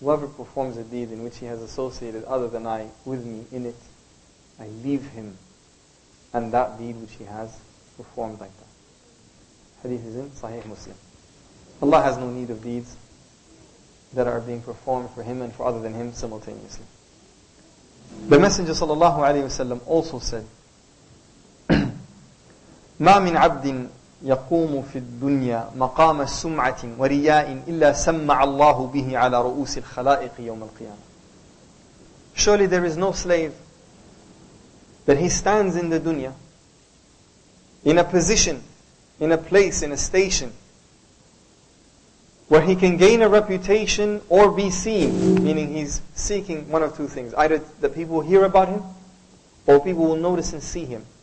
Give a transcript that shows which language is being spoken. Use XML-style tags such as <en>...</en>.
<en>Whoever performs a deed in which he has associated other than I with me in it, I leave him and that deed which he has performed like that. Hadith is in Sahih Muslim. Allah has no need of deeds that are being performed for him and for other than him simultaneously.</en> <ar>The Messenger sallallahu alayhi wasallam also said, مَا مِنْ عَبْدٍ يقوم في الدنيا مقام السمعة ورياء إلا سمع الله به على رؤوس الخلائق يوم القيامة.</ar> <en>Surely there is no slave that he stands in the dunya in a position, in a place, in a station where he can gain a reputation or be seen, meaning he's seeking one of two things, either that people will hear about him or people will notice and see him.</en>